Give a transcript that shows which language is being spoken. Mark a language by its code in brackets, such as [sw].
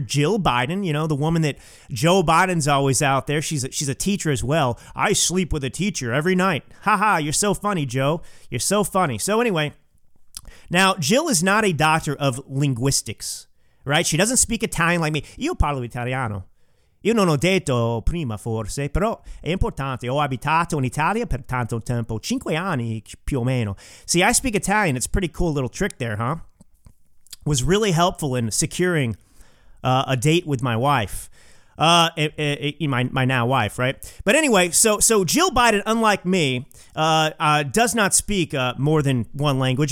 [en] Jill Biden, you know, the woman that Joe Biden's always out there. She's a teacher as well. I sleep with a teacher every night. Ha ha, you're so funny, Joe. You're so funny. So anyway, now Jill is not a doctor of linguistics. [it] Right? She doesn't speak Italian like me. Io parlo italiano. Io non ho detto prima forse, però è importante. Ho abitato in Italia per tanto tempo, 5 anni più o meno. [en] See, I speak Italian. It's a pretty cool little trick there, huh? Was really helpful in securing a date with my wife. My now wife, right? But anyway, so Jill Biden, unlike me, does not speak more than one language.